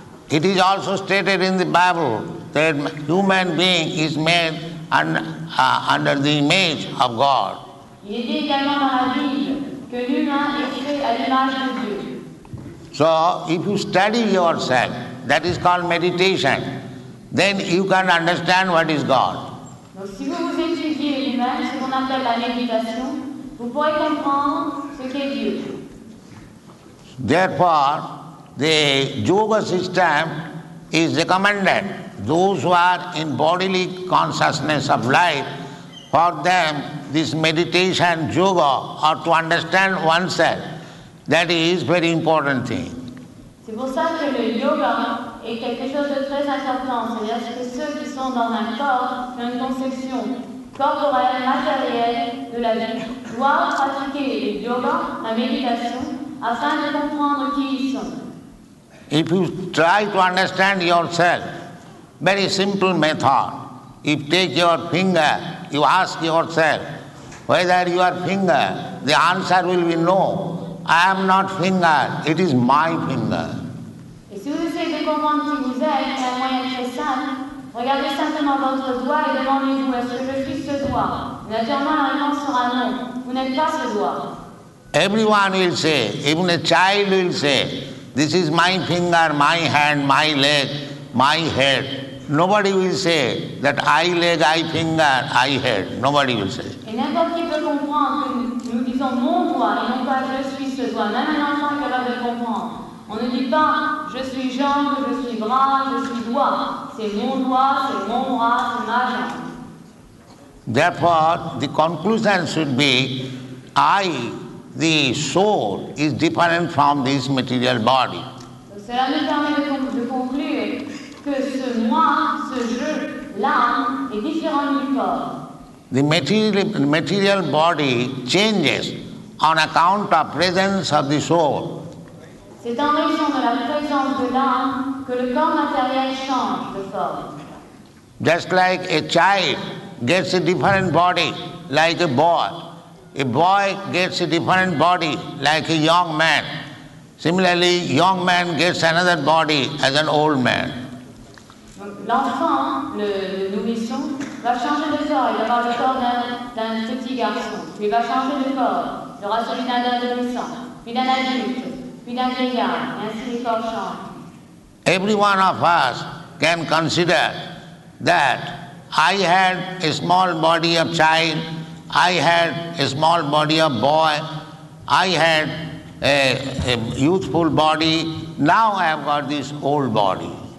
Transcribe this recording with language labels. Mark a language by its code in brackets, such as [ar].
[en] It is also stated in the Bible that human being is made under the image of God. [fr] Il est dit également dans la Bible que l'humain est créé à l'image de Dieu. [en] So, if you study yourself, that is called meditation, then you can understand what is God. [fr] Donc, si vous vous étudiez l'humain, ce qu'on appelle la méditation, vous pourrez comprendre ce qu'est Dieu. [en] Therefore, the yoga system is recommended. Those who are in bodily consciousness of life, for them, this meditation, yoga, or to understand oneself, that is very important thing. [fr] C'est pour ça que le yoga est quelque chose de très important. C'est-à-dire que ceux qui sont dans un corps, une conception corporelle, matérielle de la vie, doivent pratiquer le yoga, la méditation, afin de comprendre qui ils sont. [en] If you try to understand yourself, very simple method. If take your finger, you ask yourself, whether you are finger, the answer will be no. I am not finger, it is my finger. [fr] Et si vous essayez de comprendre qui vous êtes, un moyen très simple, regardez simplement votre doigt et demandez-vous, est-ce que je suis ce doigt? Naturellement, la réponse sera non. Vous n'êtes pas ce doigt. [en] Everyone will say, even a child will say, this is my finger, my hand, my leg, my head. Nobody will say that I leg, I finger, I head. Nobody will say. [fr] Et n'importe qui peut comprendre que nous disons mon doigt et non pas je suis ce doigt. Même un enfant est capable de comprendre. On ne dit pas je suis jambe, je suis bras, je suis doigt. C'est mon doigt, c'est mon bras, c'est ma jambe. [en] Therefore, the conclusion should be I, the soul, is different from this material body. [fr] Donc, cela nous permet de conclure que ce moi, ce je, l'âme, est différent du corps. [en] The material body changes on account of presence of the soul. [fr] C'est en raison de la présence de l'âme que le corps matériel change de forme. [en] Just like a child gets a different body, like a boy. A boy gets a different body, like a young man. Similarly, young man gets another body as an old man. [fr] L'enfant, le nourrisson, va changer de corps. Il va avoir le corps d'un petit garçon. Puis il va changer de corps. Il aura celui d'un adolescent, puis d'un adulte, puis d'un vieillard. Et ainsi, les corps changent. [en] Every one of us can consider that I had a small body of child, I had a small body of boy, I had a youthful body, now I have got this old body.